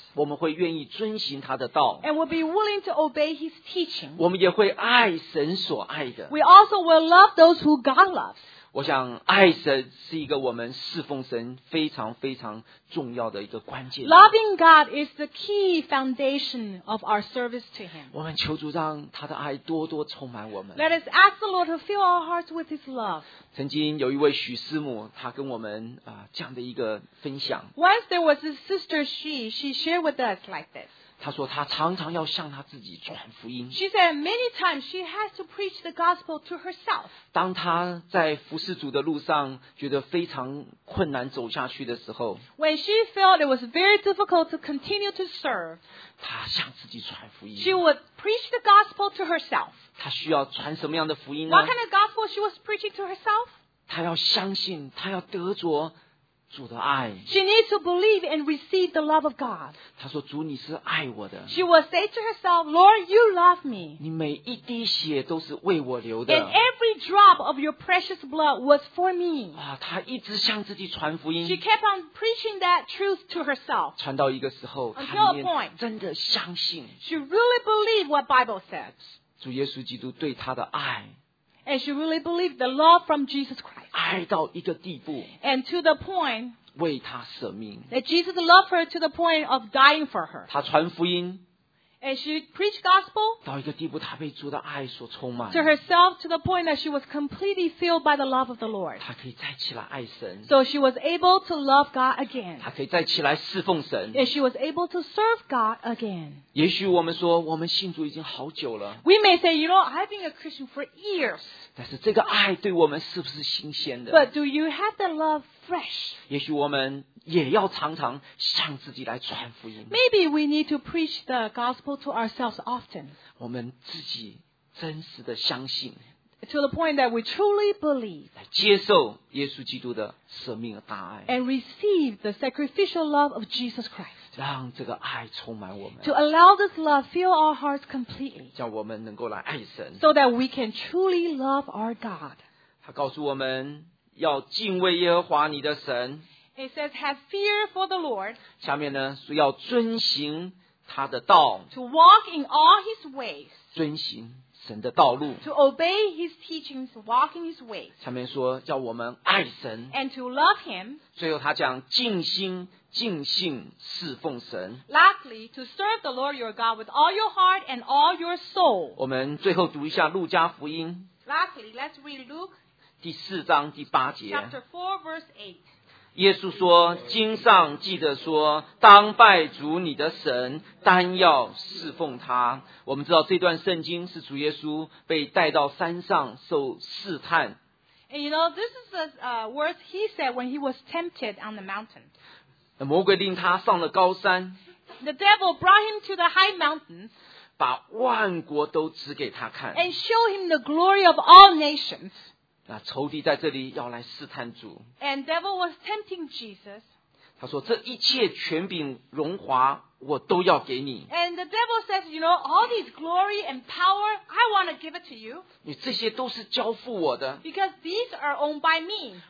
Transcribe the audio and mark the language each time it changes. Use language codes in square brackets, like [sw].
[zh] 我们会愿意遵行他的道。 [en] And we'll be willing to obey His teaching. [zh] 我们也会爱神所爱的。 [en] We also will love those who God loves. [zh] 我想爱神是一个我们侍奉神非常非常重要的一个关键。 [en] Loving God is the key foundation of our service to Him. [zh] 我们求主让他的爱多多充满我们。 [en] Let us ask the Lord to fill our hearts with His love. [zh] 曾经有一位许师母，她跟我们这样的一个分享。 [en] Once there was a sister she shared with us like this. [zh] 他说他常常要向他自己传福音。 [en] She said many times she has to preach the gospel to herself. [zh] 当他在服侍主的路上觉得非常困难走下去的时候 [en] ，When she felt it was very difficult to continue to serve, [zh] 他向自己传福音。 [en] She would preach the gospel to herself. [zh] 他需要传什么样的福音呢 [en] ？What kind of gospel she was preaching to herself? [zh] 他要相信，他要得着。主的爱 [en] She needs to believe and receive the love of God. [zh] 她说主你是爱我的 [en] She will say to herself, Lord, you love me. [zh] 你每一滴血都是为我流的 [en] And every drop of your precious blood was for me. [zh] 她一直向自己传福音 [en] She kept on preaching that truth to herself. [zh] 传到一个时候 [en] Until a point. [zh] 真的相信 [en] She really believed what Bible says. [zh] 主耶稣基督对她的爱 [en] And she really believed the love from Jesus Christ. [zh] 爱到一个地步 [en] And to the point. [zh] 为她舍命 [en] That Jesus loved her to the point of dying for her. [zh] 她传福音 [en] And she preached gospel. [zh] 到一个地步她被主的爱所充满 [en] To herself to the point that she was completely filled by the love of the Lord. [zh] 她可以再起来爱神 [en] So she was able to love God again. [zh] 她可以再起来侍奉神 [en] And she was able to serve God again. [zh] 也许我们说我们信主已经好久了 [en] We may say, you know, I've been a Christian for years. [zh] 但是这个爱对我们是不是新鲜的 [en] But do you have the love fresh? [zh] 也许我们也要常常向自己来传福音 [en] Maybe we need to preach the gospel to ourselves often. [zh] 我们自己真实的相信 [en] To the point that we truly believe. [zh] 来接受耶稣基督的舍命大爱 [en] And receive the sacrificial love of Jesus Christ. [zh] 让这个爱充满我们 [en] To allow this love fill our hearts completely [zh] 叫我们能够来爱神 [en] So that we can truly love our God [zh] 他告诉我们要敬畏耶和华你的神 [en] It says have fear for the Lord [zh] 下面呢是要遵行他的道 [en] To walk in all his ways [zh] 遵行神的道路 [en] To obey his teachings walk in his ways [zh] 下面说叫我们爱神 [en] And to love him [zh] 最后他讲尽心尽兴侍奉神 [en] Lastly, to serve the Lord your God with all your heart and all your soul. [zh] 我们最后读一下路加福音 [en] Lastly, let's read Luke [zh] 第四章第八节 [en] Chapter 4, verse 8. [zh] 耶稣说经上记得说当拜主你的神单要侍奉他我们知道这段圣经是主耶稣被带到山上受试探 [en] And you know, this is the words he said when he was tempted on the mountain. [zh] 魔鬼令他上了高山 [en] The devil brought him to the high mountains [zh] 把万国都指给他看 [en] And show him the glory of all nations [zh] 那仇敌在这里要来试探主 [en] And devil was tempting Jesus [zh] 他说这一切权柄荣华我都要给你 [en] And the devil says, you know, all these glory and power, I want to give it to you [zh] 你这些都是交付我的 [en] Because these are owned by me